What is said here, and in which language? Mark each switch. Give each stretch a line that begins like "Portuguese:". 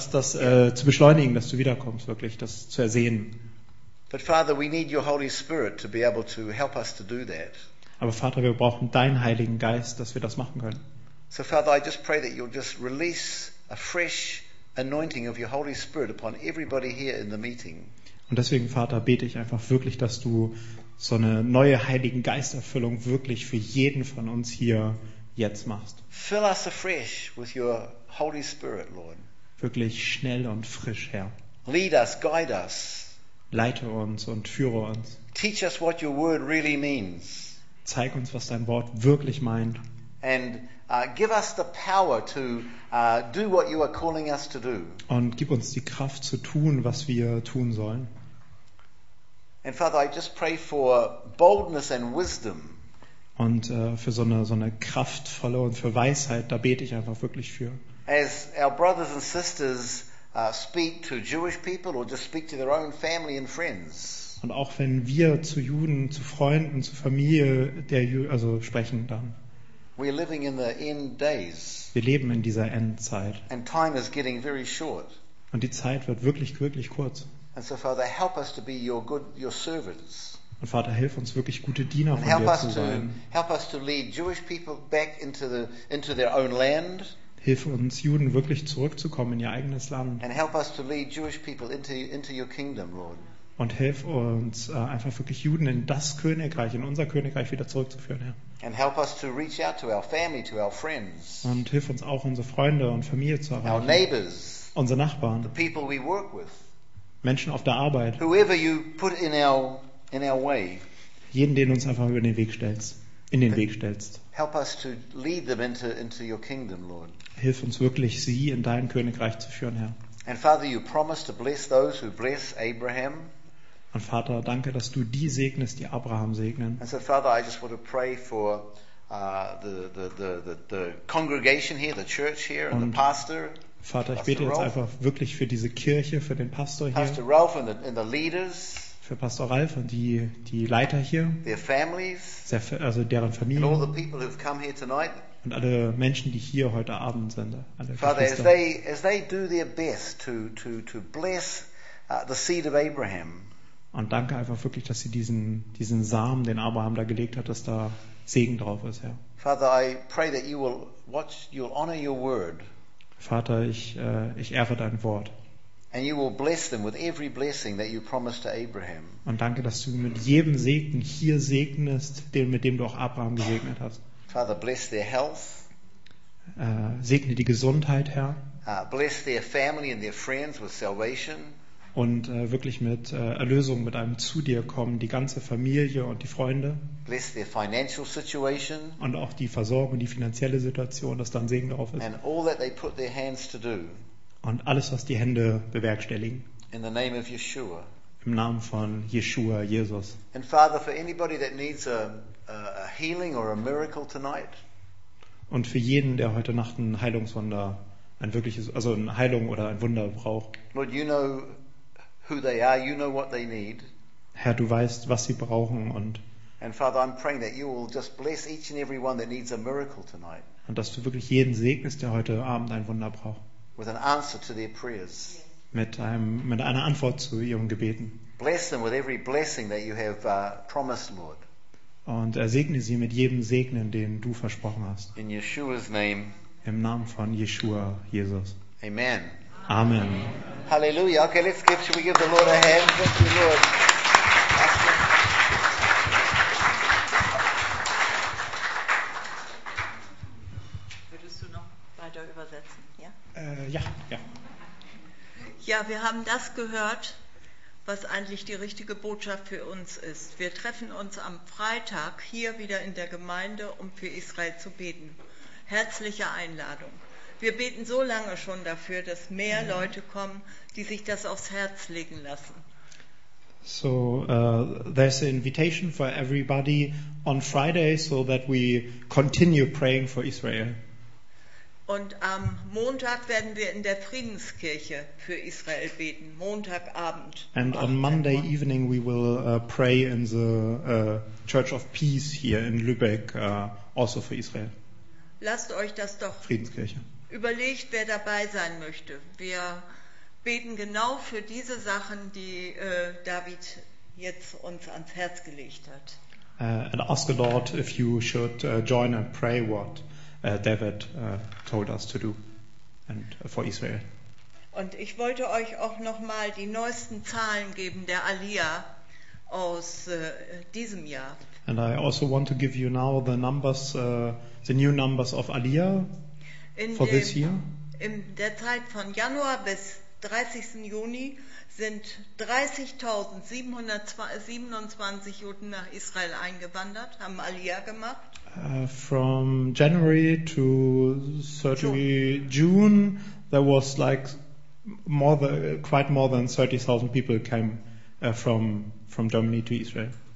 German: Also das zu beschleunigen, dass du wiederkommst, wirklich das zu ersehen.
English: But Father, we need your Holy Spirit to be able to help us to do that.
German: Aber Vater, wir brauchen deinen Heiligen Geist, dass wir das machen können.
English: So Father, I just pray that you'll just release a fresh anointing of your Holy Spirit upon everybody here in the meeting.
German: Und deswegen, Vater, bete ich einfach wirklich, dass du so eine neue Heiligen Geisterfüllung wirklich für jeden von uns hier jetzt machst.
English: Fill us afresh with your Holy Spirit, Lord.
German: Wirklich schnell und frisch, Herr.
English: Lead us, guide us.
German: Leite uns und führe uns.
English: Teach us what your word really means.
German: Zeig uns, was dein Wort wirklich meint.
English: And give us the power to do what you are calling us to do.
German: Und gib uns die Kraft zu tun, was wir tun sollen.
English: And Father, I just pray for boldness and wisdom.
German: Und für so eine kraftvolle und für Weisheit, da bete ich einfach wirklich für.
English: As our brothers and sisters speak to Jewish people or just speak to their own family and friends.
German: Und auch wenn wir zu Juden, zu Freunden, zu Familie also sprechen dann.
English: We're living in the end days.
German: Wir leben in dieser Endzeit.
English: And time is getting very short.
German: Und die Zeit wird wirklich, wirklich kurz.
English: And so Father, help us to be your servants.
German: Und Vater, hilf uns wirklich, gute Diener von dir zu sein.
English: Help us to lead Jewish people back into their own land.
German: Hilf uns, Juden wirklich zurückzukommen in ihr eigenes Land.
English: And help us to lead Jewish people into your kingdom, Lord.
German: Und hilf uns einfach wirklich Juden in das Königreich, in unser Königreich wieder zurückzuführen, Herr.
English: And help us to reach out to our family, to our friends.
German: Und hilf uns auch unsere Freunde und Familie zu erreichen.
English: Our neighbors,
German: unsere Nachbarn.
English: The people we work with.
German: Menschen auf der Arbeit.
English: Whoever you put in our way.
German: Jeden, den uns einfach über den Weg stellst,
English: Help us to lead them into your kingdom, Lord.
German: Hilf uns wirklich, sie in dein Königreich zu führen, Herr.
English: And Father, you promised to bless those who bless Abraham.
German: Und Vater, danke, dass du die segnest, die Abraham segnen.
English: And so Father, I just want to pray for the congregation here, the church here, and the pastor.
German: Vater, ich bete jetzt einfach wirklich für diese Kirche, für den Pastor hier.
English: Pastor Ralph and the leaders.
German: Für Pastor Ralf und die Leiter hier.
English: Their families.
German: Also deren Familien.
English: And all the people who've come here tonight.
German: Und alle Menschen, die hier heute Abend sind, alle
English: Father, as they do their best to bless the seed of Abraham.
German: Und danke einfach wirklich, dass sie diesen Samen, den Abraham da gelegt hat, dass da Segen drauf ist, Herr.
English: Father, I pray that you will watch, you'll honor your word.
German: Vater, ich ehre dein Wort.
English: And you will bless them with every blessing that you promised to Abraham.
German: Und danke, dass du mit jedem Segen hier segnest, mit dem du auch Abraham gesegnet hast.
English: Father, bless their health.
German: Segne die Gesundheit, Herr.
English: Bless their family and their friends with salvation.
German: Und wirklich mit Erlösung, mit einem zu dir kommen, die ganze Familie und die Freunde.
English: Bless their financial situation.
German: Und auch die Versorgung, die finanzielle Situation, dass dann Segen drauf ist.
English: And all that they put their hands to do.
German: Und alles, was die Hände bewerkstelligen.
English: In the name of Yeshua.
German: Im Namen von Yeshua, Jesus.
English: And Father, for anybody that needs a healing or a miracle tonight.
German: Und für jeden, der heute Nacht ein Heilungswunder, ein wirkliches, also eine Heilung oder ein Wunder braucht.
English: Lord, you know who they are, you know what they need.
German: Herr, du weißt, was sie brauchen und.
English: And Father, I'm praying that you will just bless each and every one that needs a miracle tonight.
German: Und dass du wirklich jeden segnest, der heute Abend ein Wunder braucht.
English: With an answer to their prayers.
German: Mit einer Antwort zu ihren Gebeten.
English: Bless them with every blessing that you have promised, Lord.
German: Und segne sie mit jedem Segen, den du versprochen hast.
English: In Yeshua's name.
German: Im Namen von Yeshua, Jesus.
English: Amen.
German: Amen.
English: Hallelujah. Okay, should we give the Lord a hand? Thank you, Lord.
German: Würdest du noch weiter übersetzen? Ja? Ja. Ja, wir haben das gehört, was eigentlich die richtige Botschaft für uns ist. Wir treffen uns am Freitag hier wieder in der Gemeinde, um für Israel zu beten. Herzliche Einladung. Wir beten so lange schon dafür, dass mehr Leute kommen, die sich das aufs Herz legen lassen.
English: So, there's an invitation for everybody on Friday, so that we continue praying for Israel.
German: Und am Montag werden wir in der Friedenskirche für Israel beten, Montagabend.
English: And on Monday evening we will pray in the Church of Peace here in Lübeck, also for Israel.
German: Lasst euch das doch Friedenskirche überlegt, wer dabei sein möchte. Wir beten genau für diese Sachen, die David jetzt uns ans Herz gelegt hat.
English: And ask the Lord if you should join and pray what David told us to do and for Israel.
German: Und ich wollte euch auch nochmal die neuesten Zahlen geben der Aliyah aus diesem Jahr.
English: And I also want to give you now the numbers, the new numbers of Aliyah for this year.
German: In der Zeit von Januar bis 30. Juni sind 30.727 Juden nach Israel eingewandert, haben Aliyah gemacht.
English: From January to 30 June, there was like more than 30,000 people came from Germany to Israel.